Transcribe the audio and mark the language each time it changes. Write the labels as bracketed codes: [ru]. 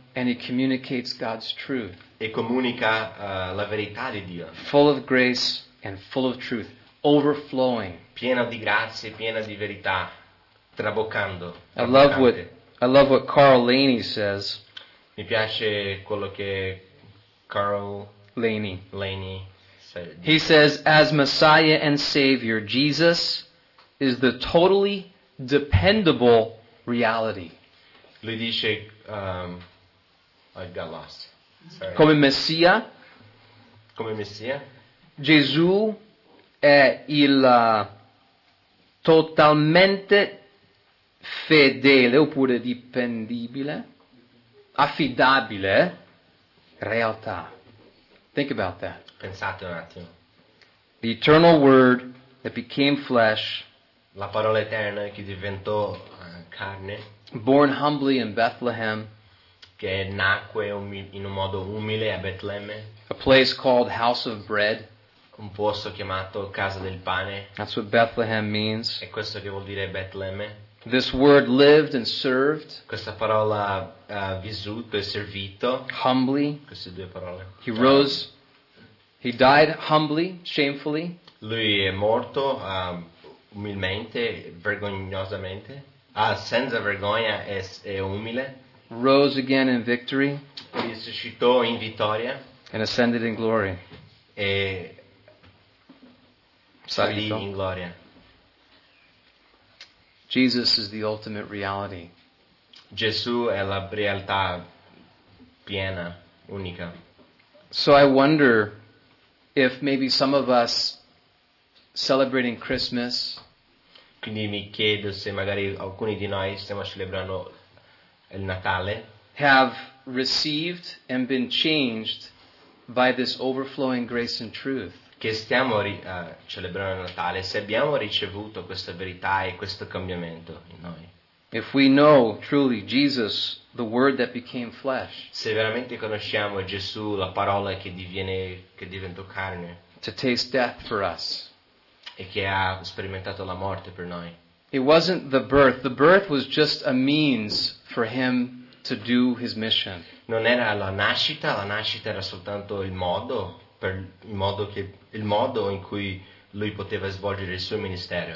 [en] and he communicates God's truth, [it] e comunica la verità di Dio, [en] full of grace and full of truth, overflowing, [it] piena di grazia, piena di verità, traboccando. [en] I love what Carl Laney says. [it] Mi piace quello che Carl Laney. [en] He says, as Messiah and Savior, Jesus is the totally dependable reality. [it] Lui dice, [en] I got lost. Sorry. [it] Come Messia, Gesù è il totalmente fedele oppure dipendibile, affidabile realtà. [en] Think about that. [it] Pensate un attimo. [en] The eternal word that became flesh. [it] La parola eterna che diventò carne. [en] Born humbly in Bethlehem. [it] Che nacque in un modo umile a Betlemme. [en] A place called House of Bread. [it] Un posto chiamato Casa del Pane. [en] That's what Bethlehem means. [it] E questo che vuol dire Betlemme. [en] This word lived and served. [it] Questa parola vissuto e servito. [en] Humbly. [it] Queste due parole. [en] He rose. He died humbly, shamefully. [it] Lui è morto umilmente, vergognosamente. Ah, senza vergogna e umile. [en] Rose again in victory. [it] Risuscitò in vittoria. [en] And ascended in glory. [it] E salì in gloria. [en] Jesus is the ultimate reality. [it] Gesù è la realtà piena, unica. [en] So I wonder if maybe some of us celebrating Christmas. [it] Quindi mi chiedo se magari alcuni di noi stiamo celebrando il Natale. [en] Have received and been changed by this overflowing grace and truth. [it] Che stiamo celebrando il Natale, se abbiamo ricevuto questa verità e questo cambiamento in noi. [en] If we know truly Jesus, the Word that became flesh. [it] Se veramente conosciamo Gesù, la parola che diventò carne. [en] To taste death for us. [it] E che ha sperimentato la morte per noi. [en] It wasn't the birth. The birth was just a means for him to do his mission. [it] Non era la nascita era soltanto il modo. Per il modo in cui lui poteva svolgere il suo ministero.